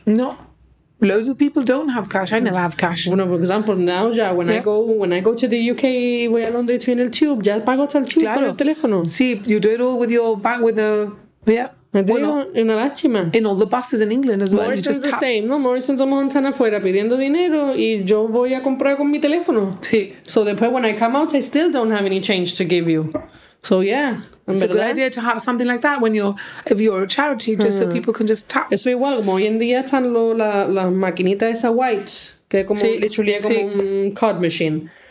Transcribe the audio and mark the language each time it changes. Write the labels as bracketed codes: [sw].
[en] No. Loads of people don't have cash. I never have cash. [es] Bueno, [en] for example, now, [es] ya, [en] when I go to the UK, [es] voy a Londres en el tube, ya pago hasta el tube con el teléfono. [en] Sí, you do it all with your bag, with a... Yeah. In all the buses in England as well. Morrison's the same, no? [es] Morrison's a montan afuera pidiendo dinero y yo voy a comprar con mi teléfono. Sí. [en] So [es] después [en] when I come out, I still don't have any change to give you. So yeah. It's a good idea to have something like that if you're a charity, just so people can just tap. [es] Eso igual, como hoy en día están la maquinita esa white, que como literally es como un [en] card machine.